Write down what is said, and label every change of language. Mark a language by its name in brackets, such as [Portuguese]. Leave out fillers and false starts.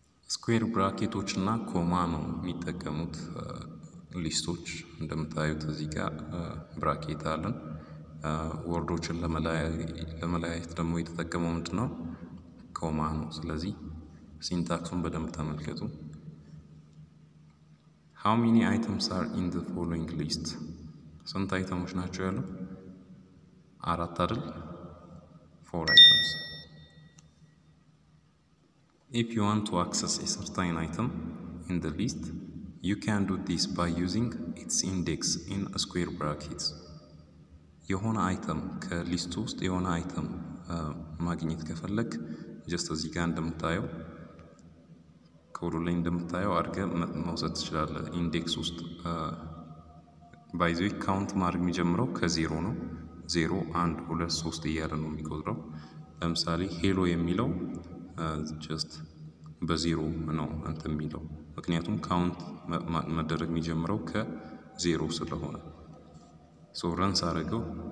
[Amharic] ስኩዌር ብራኬቶች እና ኮማ ነው የሚጠቀሙት ሊስቶች። እንደምታዩት እዚህ ጋር ብራኬት አለን። ወርዶችን ለመለያየት ደግሞ የተጠቀመው ምንድን ነው? ኮማ ነው። ስለዚህ ሲንታክሱን በደንብ ተመልከቱ። [English] ሃው ሜኒ አይተምስ አር ኢን ዘ ፎሎዊንግ ሊስት፣ [Amharic] ስንት አይተሞች ናቸው ያለው? አራት አይደል? [English] ፎር አይተምስ። If you want to access a certain item in the list, you can do this by using its index in square brackets. [Amharic] የሆነ አይተም ከሊስት ውስጥ የሆነ አይተም ማግኘት ከፈለግ ጀስት እዚህ ጋር እንደምታየው ኮዱ ላይ እንደምታየው አድርገ መውሰድ ትችላለህ። ኢንዴክስ ውስጥ ባይ ዘ ዌይ ካውንት ማድረግ የሚጀምረው ከዜሮ ነው። ዜሮ፣ አንድ፣ ሁለት፣ ሶስት እያለ ነው የሚቆጥረው። ለምሳሌ ሄሎ የሚለው ጀስት በዜሮ ነው እንትን የሚለው፣ ምክንያቱም ካውንት መደረግ የሚጀምረው ከዜሮ ስለሆነ። ሶ ረንስ አድርገው